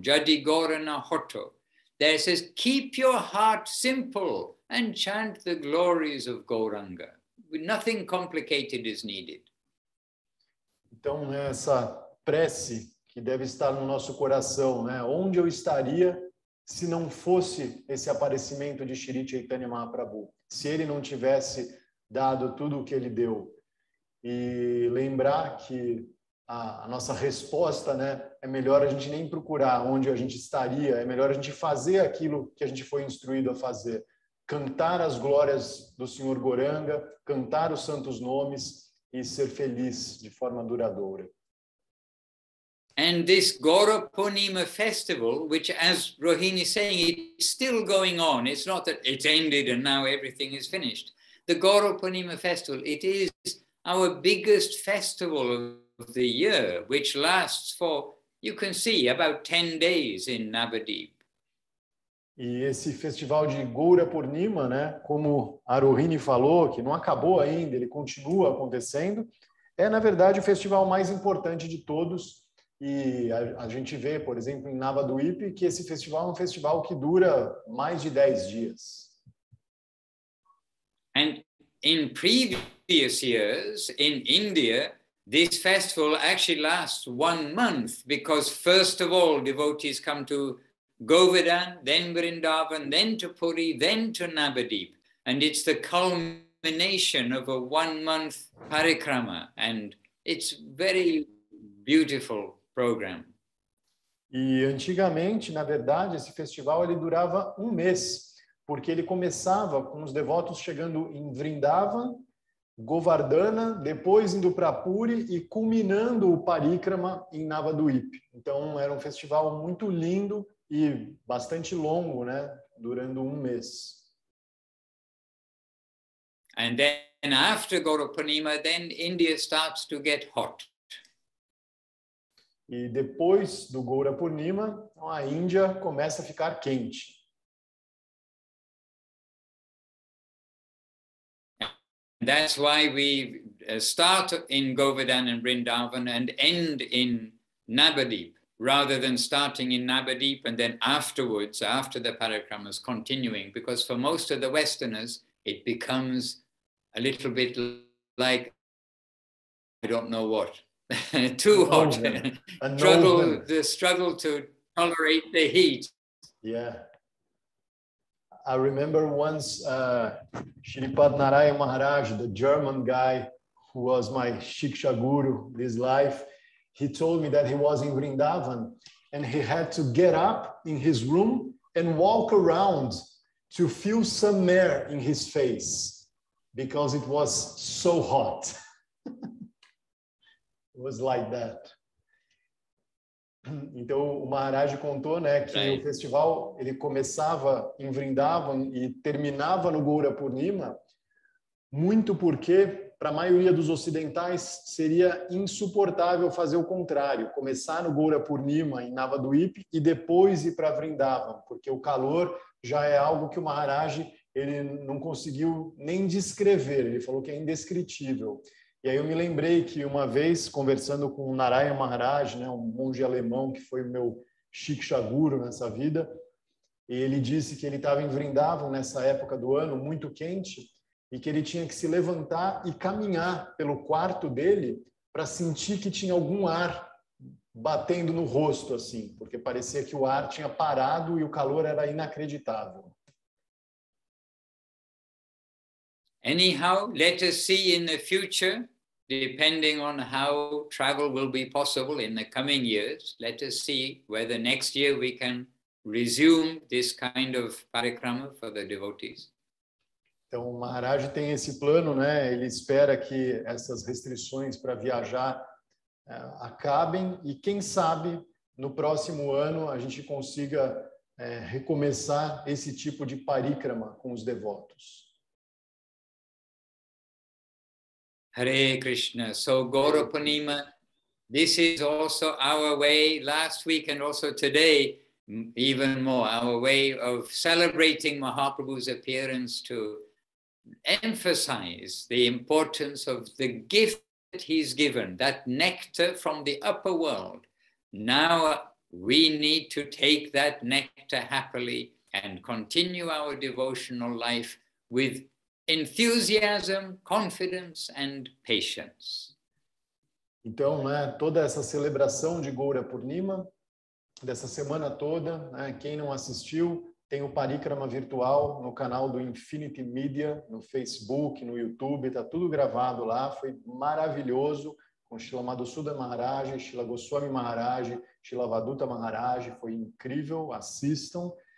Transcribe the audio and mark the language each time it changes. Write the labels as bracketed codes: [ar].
[bn] Jadi Gaurana Hoto. [en] There says, keep your heart simple and chant the glories of Gauranga. Nothing complicated is needed. [pt] Então, essa prece que deve estar no nosso coração, né? Onde eu estaria se não fosse esse aparecimento de Shri Chaitanya Mahaprabhu? Se ele não tivesse dado tudo o que ele deu? E lembrar que a nossa resposta, né, é melhor a gente nem procurar onde a gente estaria, é melhor a gente fazer aquilo que a gente foi instruído a fazer. Cantar as glórias do Senhor Gauranga, cantar os santos nomes e ser feliz de forma duradoura. [en] And this Gaura Purnima festival, which as Rohini is saying, it's still going on. It's not that it's ended and now everything is finished. The Gaura Purnima festival, it is our biggest festival of the year, which lasts for, you can see, about 10 days in Navadip. [pt] E esse festival de Gaura Purnima, né, como a Rohini falou, que não acabou ainda, ele continua acontecendo, é, na verdade, o festival mais importante de todos. E a gente vê, por exemplo, em Navadip, que esse festival é um festival que dura mais de 10 dias. [en] And in previous years in India, this festival actually lasts 1 month because first of all devotees come to Govardhan, then Vrindavan, then to Puri, then to Navadvip. And it's the culmination of a one-month parikrama. And it's very beautiful program. [pt] E antigamente, na verdade, esse festival ele durava um mês, porque ele começava com os devotos chegando em Vrindavan, Govardhana, depois indo para Puri e culminando o parikrama em Navadvip. Então, era um festival muito lindo e bastante longo, né? Durando um mês. [en] And then after Gaura Purnima, then India starts to get hot. [pt] E depois do Gaura Purnima, a Índia começa a ficar quente. [en] That's why we start in Govardhan and Vrindavan and end in Navadvip, rather than starting in Navadvip and then afterwards, after the parikramas, continuing. Because for most of the Westerners, it becomes a little bit like, I don't know what. Too hot. The struggle to tolerate the heat. Yeah. I remember once Shripad Narayan Maharaj, the German guy who was my Shiksha Guru this life, he told me that he was in Vrindavan and he had to get up in his room and walk around to feel some air in his face because it was so hot. It was like that. [pt] Então, o Maharaj contou, né, que right. O festival ele começava em Vrindavan e terminava no Gaura Purnima, muito porque, para a maioria dos ocidentais, seria insuportável fazer o contrário, começar no Gaura Purnima, em Navadvip, e depois ir para Vrindavan, porque o calor já é algo que o Maharaj ele não conseguiu nem descrever, ele falou que é indescritível. E aí eu me lembrei que uma vez, conversando com o Narayan Maharaj, né, um monge alemão que foi meu Shiksha Guru nessa vida, ele disse que ele estava em Vrindavan nessa época do ano, muito quente, e que ele tinha que se levantar e caminhar pelo quarto dele para sentir que tinha algum ar batendo no rosto, assim, porque parecia que o ar tinha parado e o calor era inacreditável. [en] Anyhow, let us see in the future, depending on how travel will be possible in the coming years, let us see whether next year we can resume this kind of parikrama for the devotees. [pt] Então, o Maharaj tem esse plano, né? Ele espera que essas restrições para viajar acabem e quem sabe no próximo ano a gente consiga recomeçar esse tipo de parikrama com os devotos. Hare Krishna. [en] So Gaura Purnima, this is also our way, last week and also today, even more, our way of celebrating Mahaprabhu's appearance to emphasize the importance of the gift that he's given, that nectar from the upper world. Now we need to take that nectar happily and continue our devotional life with enthusiasm, confidence and patience. [pt] Então, né, toda essa celebração de Gaura Purnima, dessa semana toda, né, quem não assistiu, tem o Parikrama virtual no canal do Infinity Media, no Facebook, no YouTube, está tudo gravado lá, foi maravilhoso, com Srila Madhusudan Maharaj, Srila Goswami Maharaj, Srila Vaduta Maharaj, foi incrível, assistam,